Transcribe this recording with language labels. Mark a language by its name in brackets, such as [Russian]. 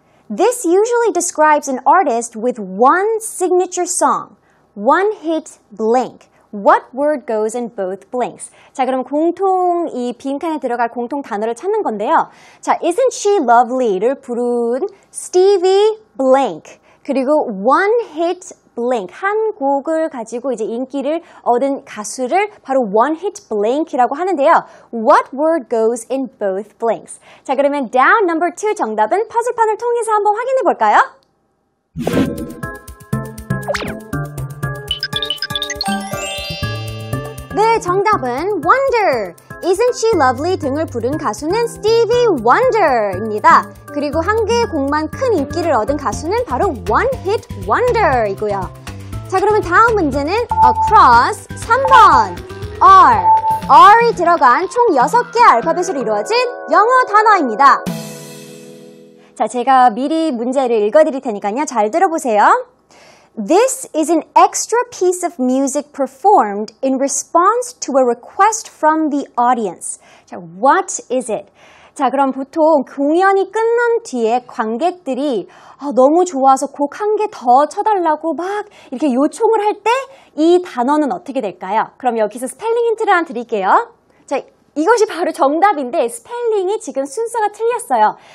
[English] This usually describes an artist with one signature song. One hit blank. What word goes in both blanks? [Korean] 자, 그럼 공통 이 빈칸에 들어갈 공통 단어를 찾는 건데요. 자, isn't she lovely를 부른 Stevie blank. 그리고 one hit blank. 한 곡을 가지고 이제 인기를 얻은 가수를 바로 one hit blank이라고 하는데요. [English] What word goes in both blanks? [Korean] 자, 그러면 down number 2 정답은 퍼즐판을 통해서 한번 확인해 볼까요? 네, 정답은 Wonder. Isn't she lovely 등을 부른 가수는 Stevie Wonder입니다. 그리고 한 개의 곡만 큰 인기를 얻은 가수는 바로 One Hit Wonder이고요. 자, 그러면 다음 문제는 Across 3번 R. R이 들어간 총 6개의 알파벳으로 이루어진 영어 단어입니다. 자, 제가 미리 문제를 읽어드릴 테니까요. 잘 들어보세요. [English] This is an extra piece of music performed in response to a request from the audience. 자, what is it? [Korean] 자, 그럼 보통 공연이 끝난 뒤에 관객들이 너무 좋아서 곡 한 개 더 쳐달라고 막 이렇게 요청을 할 때 이 단어는 어떻게 될까요? 그럼 여기서 스펠링 힌트를 하나 드릴게요. 자, 이것이 바로 정답인데 스펠링이 지금 순서가 틀렸어요.